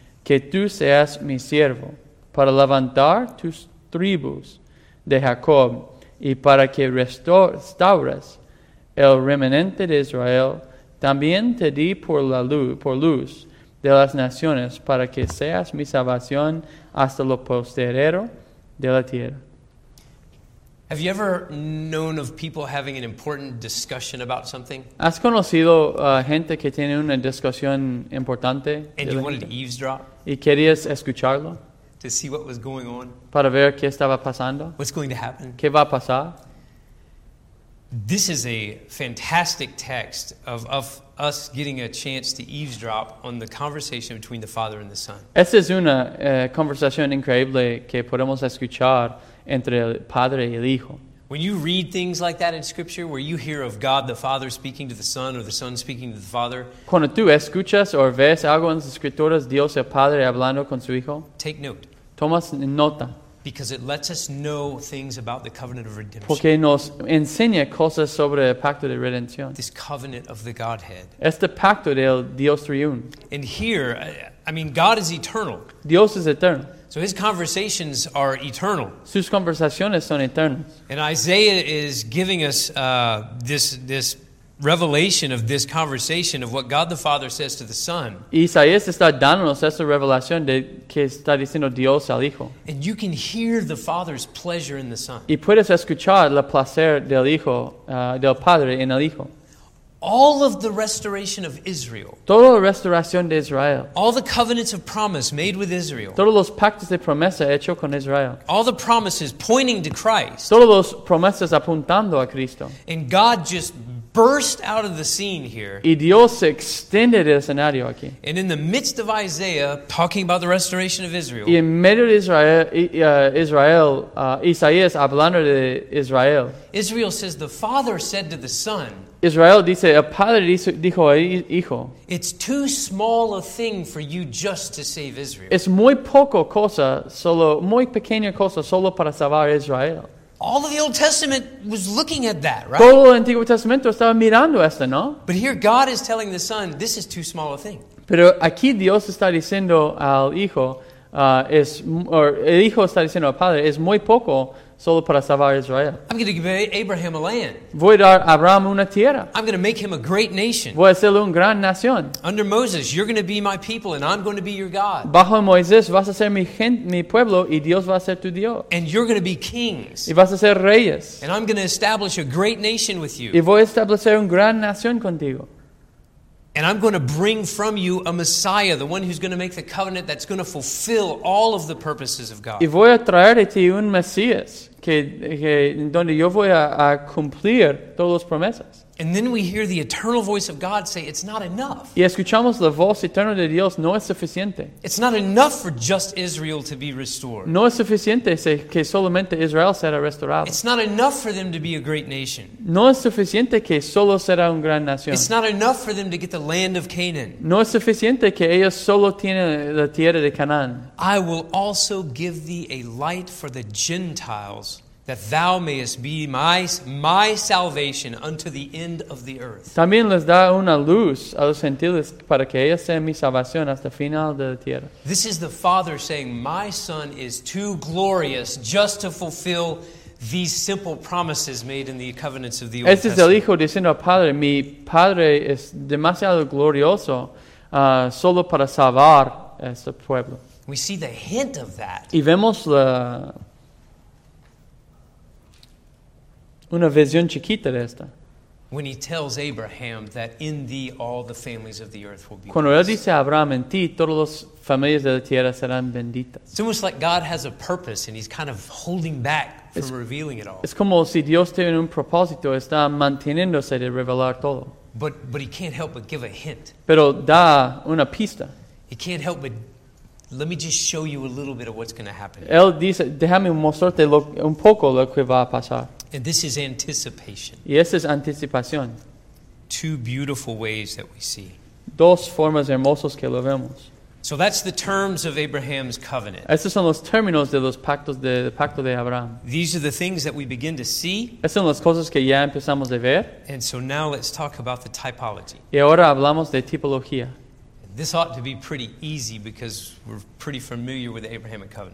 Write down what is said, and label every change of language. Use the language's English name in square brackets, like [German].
[Spanish] que tú seas mi siervo, para levantar tus tribus de Jacob, y para que restaures el remanente de Israel. También te di por luz de las naciones, para que seas mi salvación hasta lo postrero de la tierra. [English] Have you ever known of people having an important discussion about something? [Spanish] ¿Has conocido gente que tiene una discusión importante? [English] And you wanted to eavesdrop? [Spanish] ¿Y querías escucharlo? [English] To see what was going on? [Spanish] ¿Para ver qué estaba pasando? [English] What's going to happen? [Spanish] ¿Qué va a pasar? [English] This is a fantastic text of us getting a chance to eavesdrop on the conversation between the Father and the Son. [Spanish] Esta es una conversación increíble que podemos escuchar entre el Padre y el Hijo. [English] When you read things like that in Scripture, where you hear of God the Father speaking to the Son, or the Son speaking to the Father, [Spanish] cuando tú escuchas o ves algo en las Escrituras, Dios el Padre hablando con su Hijo, [English] take note. [Spanish] Tomas nota. [English] Because it lets us know things about the covenant of redemption. [Spanish] Porque nos enseña cosas sobre el pacto de redención. [English] This covenant of the Godhead. [Spanish] Este pacto del Dios triuno. [English] And here, I mean, God is eternal. [Spanish] Dios es eterno. [English] So his conversations are eternal. [Spanish] Sus conversaciones son eternas. [English] And Isaiah is giving us this revelation of this conversation of what God the Father says to the Son. [Spanish] Isaías está dándonos esa revelación de que está diciendo Dios al Hijo. [English] And you can hear the Father's pleasure in the Son. [Spanish] Y puedes escuchar el placer del Hijo, del Padre en el Hijo. [English] All of the restoration of Israel. [Spanish] Toda la restauración de Israel. [English] All the covenants of promise made with Israel. [Spanish] Todos los pactos de promesa hecho con Israel. [English] All the promises pointing to Christ. [Spanish] Todos los promesas apuntando a Cristo. [English] And God just burst out of the scene here. [Spanish] Y Dios [English] extended [Spanish] el escenario aquí. [English] And in the midst of Isaiah talking about the restoration of Israel. [Spanish] Y en medio de Isaías hablando de Israel. [English] Israel says, the Father said to the Son. [Spanish] Israel dice, el Padre dijo al Hijo. [English] It's too small a thing for you just to save Israel. [Spanish] Es muy poco cosa, solo muy pequeña cosa, solo para salvar a Israel. [English] All of the Old Testament was looking at that, right? [Spanish] Todo el Antiguo Testamento estaba mirando esto, ¿no? [English] But here God is telling the Son, this is too small a thing. [Spanish] Pero aquí Dios está diciendo al Hijo, el Hijo está diciendo al Padre, es muy poco solo para salvar Israel. [English] I'm going to give Abraham a land. [Spanish] Voy a dar a Abraham una tierra. [English] I'm going to make him a great nation. [Spanish] Voy a hacerle una gran nación. [English] Under Moses, you're going to be my people and I'm going to be your God. [Spanish] Bajo Moisés vas a ser mi pueblo y Dios va a ser tu Dios. [English] And you're going to be kings. [Spanish] Y vas a ser reyes. [English] And I'm going to establish a great nation with you. [Spanish] Y voy a establecer una gran nación contigo. [English] And I'm going to bring from you a Messiah, the one who's going to make the covenant that's going to fulfill all of the purposes of God. [Spanish] Y voy a traer de ti un Mesías que donde yo voy a cumplir todas las promesas. [English] And then we hear the eternal voice of God say, it's not enough. [Spanish] Y escuchamos la voz eterna de Dios, no es suficiente. [English] It's not enough for just Israel to be restored. [Spanish] No es suficiente que solamente Israel será restaurado. [English] It's not enough for them to be a great nation. [Spanish] No es suficiente que solo será una gran nación. [English] It's not enough for them to get the land of Canaan. [Spanish] No es suficiente que ellos solo tienen la tierra de Canaán. [English] I will also give thee a light for the Gentiles, that thou mayest be my salvation unto the end of the earth. [Spanish] También les da una luz a los gentiles para que ellos sean mi salvación hasta el final de la tierra. [English] This is the Father saying, my Son is too glorious just to fulfill these simple promises made in the covenants of the Old Testament. [Spanish] Este es el Hijo diciendo al Padre, mi Padre es demasiado glorioso solo para salvar este pueblo. [English] We see the hint of that. [Spanish] Y vemos la una visión chiquita de esta. [English] When he tells Abraham that in thee all the families of the earth will be blessed. [Spanish] Cuando él dice a Abraham, en ti todas las familias de la tierra serán benditas. [English] It's almost like God has a purpose and he's kind of holding back from revealing it all. [Spanish] Es como si Dios tiene un propósito, está manteniéndose de revelar todo. [English] But he can't help but give a hint. [Spanish] Pero da una pista. [English] He can't help but, let me just show you a little bit of what's going to happen. [Spanish] Él dice, déjame mostrarte un poco lo que va a pasar. [English] And this is anticipation. [Spanish] Y esa es anticipación. [English] Two beautiful ways that we see. [Spanish] Dos formas hermosas que lo vemos. [English] So that's the terms of Abraham's covenant. [Spanish] Esos son los términos de los pactos del pacto de Abraham. [English] These are the things that we begin to see. [Spanish] Esas son las cosas que ya empezamos a ver. [English] And so now let's talk about the typology. [Spanish] Y ahora hablamos de tipología. [English] this ought to be pretty easy because we're pretty familiar with the Abrahamic covenant.